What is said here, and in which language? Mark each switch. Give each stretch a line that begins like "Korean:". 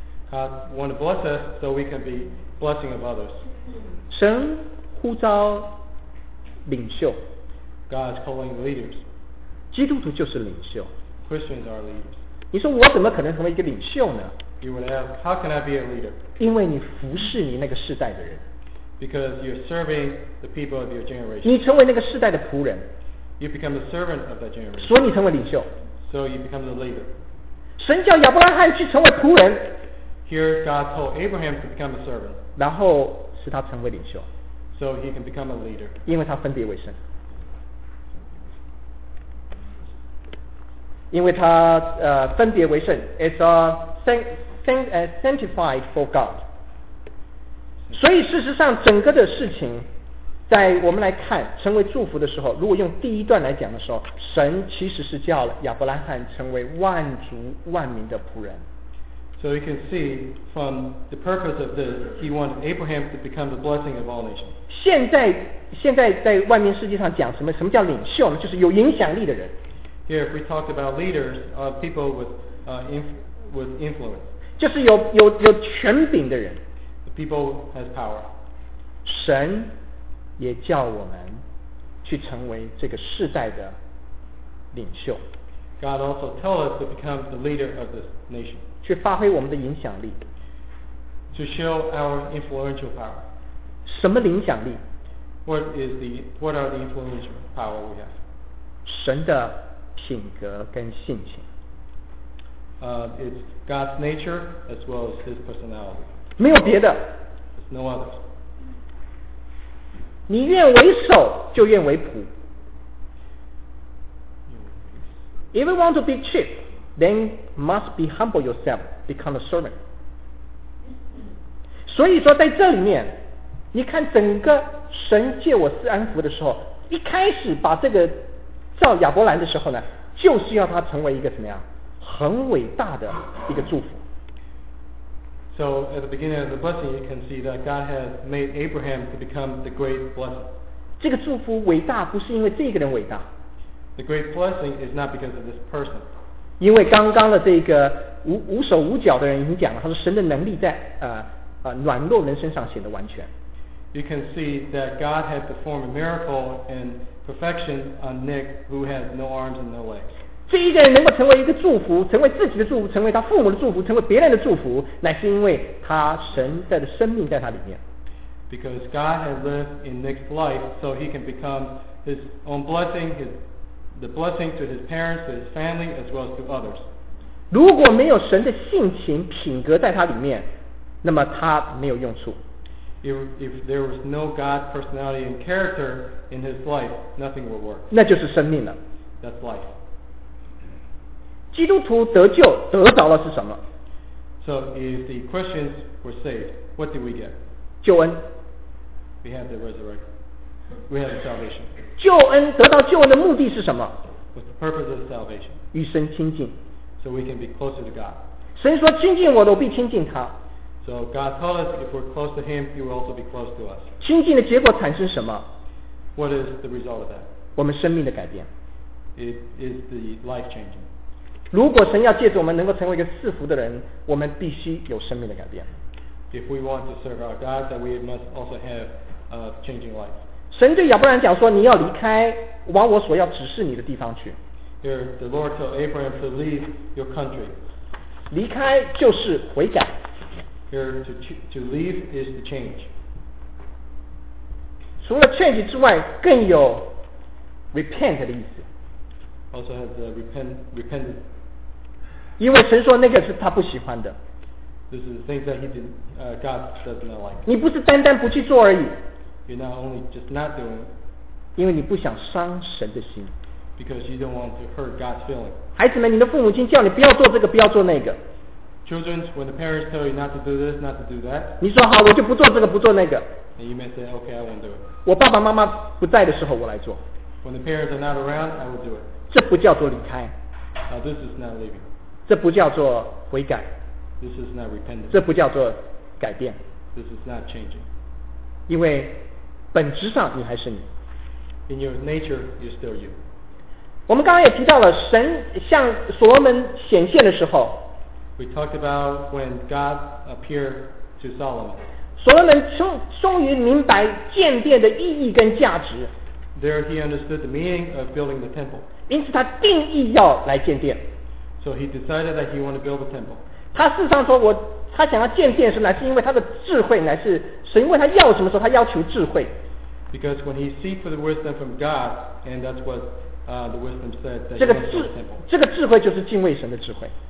English: God want to bless us so we can be blessing of others.
Chinese: 神呼召领袖。
English: God's calling leaders.
Chinese: 基督徒就是领袖。
English: Christians are leaders.
Chinese: 你说我怎么可能成为一个领袖呢？
English: You would ask, how can I be a leader?
Chinese: 因为你服侍你那个世代的人。
English: Because you're serving the people of your generation.
Chinese: 你成为那个世代的仆人。
English: You become the servant of that generation.
Chinese: 所以你成为领袖。
English: So you become the leader.
Chinese: 神叫亚伯拉罕去成为仆人。
English: Here God told Abraham to become a servant.
Chinese: 然后使他成为领袖。
English: So he can become a leader.
Chinese: 因为他分别为圣。因为他分别为圣 ，
English: is a sanctified for God。
Chinese: 所以事实上，整个的事情，在我们来看成为祝福的时候，如果用第一段来讲的时候，神其实是叫亚伯拉罕成为万族万民的仆人。
English: So you can see from the purpose of this, he wanted Abraham to become the blessing of all nations.
Chinese: 现在在万民世界上讲什么叫领袖呢？就是有影响力的人。
English: Here, if we talk about leaders, people with influence,
Chinese: 就是有权柄的人。
English: The people has power.
Chinese: 神也叫我们去成为这个世代的领袖。
English: God also tells us to become the leader of this nation.
Chinese: 去发挥我们的影响力。
English: To show our influential power.
Chinese: 什么影响力？
English: What are the influential power we have?
Chinese: 神的品格跟性情。
English: It's God's nature as well as His personality.
Chinese: 没有别的。
English: There's no others.
Chinese: 你愿为首，就愿为仆。
English: If you want to be chief, then must be humble yourself, become a servant.
Chinese: 所以说，在这里面，你看整个神借我施恩福的时候，一开始把这个造亚伯兰的时候呢。就是要他成为一个什么样很伟大的一个祝福。
English: So at the beginning of the blessing, you can see that God has made Abraham to become the great blessing.
Chinese: 这个祝福伟大不是因为这个人伟大。
English: The great blessing is not because of this person.
Chinese: 因为刚刚的这个 无手无脚的人已经讲了，他说神的能力在软弱人身上显得完全。
English: You can see that God had performed a miracle andPerfection on Nick, who has no arms and no legs.
Chinese: 这一个人能够成为一个祝福，成为自己的祝福，成为他父母的祝福，成为别人的祝福，乃是因为他神在的生命在他里面。
English: Because God has lived in Nick's life, so he can become his own blessing, the blessing to his parents, to his family, as well as to others.
Chinese: 如果没有神的性情品格在他里面，那么他没有用处。
English: If there was no God's personality and character in his life, nothing would work.
Chinese: 那就是生命了。
English: That's life.
Chinese: 基督徒得救得着了是什么？
English: So if the Christians were saved, what did we get?
Chinese: 救恩。
English: We have the resurrection. We have the salvation.
Chinese: 救恩得到救恩的目的是什么？
English: What's the purpose of salvation?
Chinese: 与神亲近。
English: So we can be closer to God.
Chinese: 神说亲近我，我必亲近他。
English: So God told us, if we're close to Him, He will also be close to us.
Chinese: 亲近的结果产生什么？
English: What is the result of that?
Chinese: 我们生命的改变。
English: It is the life changing.
Chinese: 如果神要借着我们能够成为一个赐福的人，我们必须有生命的改变。
English: If we want to serve our God, then we must also have a changing life.
Chinese: 神对亚伯兰讲说，你要离开，往我所要指示你的地方去。
English: Here, the Lord told Abraham to leave your country.
Chinese: 离开就是悔改。
English: Here to leave is the change.
Chinese: 除了 change 之外，更有 repent 的意思。
English: Also has the repent.
Chinese: 因为神说那个是他不喜欢的。
English: This is the things that God does not like.
Chinese: 你不是单单不去做而已。
English: You're not only just not doing.
Chinese: 因为你不想伤神的心。
English: Because you don't want to hurt God's feeling.
Chinese: 孩子们，你的父母亲叫你不要做这个，不要做那个。
English: Children, when the parents tell you not to do this, not to do that,
Chinese: 你说好，我就不做这个，不做那个。
English: And you may say, okay, I won't do it.
Chinese: 我爸爸妈妈不在的时候，我来做。
English: When the parents are not around, I will do it.
Chinese: 这不叫做离开。
English: Now, this is not leaving.
Chinese: 这不叫做悔改。
English: This is not repentance.
Chinese: 这不叫做改变。
English: This is not changing.
Chinese: 因为本质上你还是你。
English: In your nature, you're still you.
Chinese: 我们刚刚也提到了，神向所罗门显现的时候。
English: We talked about when God appeared to Solomon.
Chinese: 所罗门终于明白建殿的意义跟价值。
English: There he understood the meaning of building the temple.
Chinese: 因此他定义要来建殿。
English: So he decided that he wanted to build the temple.
Chinese: 他事实上说我他想要见电视乃是因为他的智慧乃是神问他要什么时候他要求智慧
English: because when he seek for the wisdom from God and that's what the wisdom said that
Chinese: 这个智慧就是敬畏神的智慧